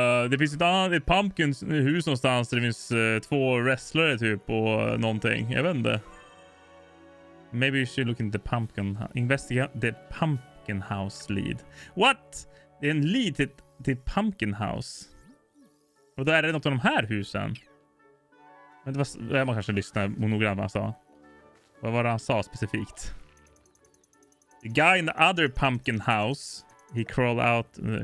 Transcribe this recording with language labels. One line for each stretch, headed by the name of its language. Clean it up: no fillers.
Swedish: det finns ett pumpkins hus någonstans där det finns två wrestlare typ och någonting. Jag vet inte.
English: Maybe you should look into the pumpkin house. Investigate the pumpkin house lead. What?
Swedish: Det är en lead till pumpkin house. Och då är det något av de här husen. Men det var det man kanske lyssnade monogram vad han sa. Vad var det han sa specifikt?
English: The guy in the other pumpkin house. He crawled out.